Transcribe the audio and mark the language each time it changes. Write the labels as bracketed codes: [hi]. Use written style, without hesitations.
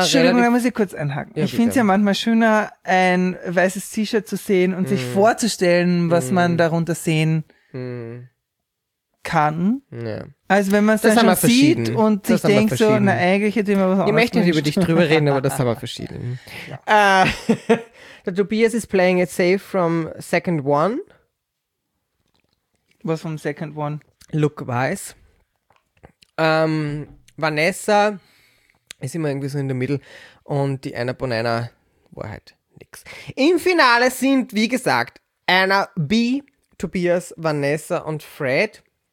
[de] Entschuldigung, da muss ich kurz einhaken. Ja, ich finde es ja manchmal schöner, ein weißes T-Shirt zu sehen und sich vorzustellen, was man darunter sehen kann. Ja. Also wenn man es dann schon sieht und sich denkt so, na eigentlich hätte ich mir was anderes. Ich möchte nicht über dich drüber reden, aber das haben wir verschieden. Ja. der [en] Tobias is playing it safe from second one. [de] Was vom [en] second one? Look wise. [de] Vanessa ist immer irgendwie so in der Mitte und die Anna Bonanna war halt nix. Im Finale sind, wie gesagt, Anna B, Tobias, Vanessa und Fred.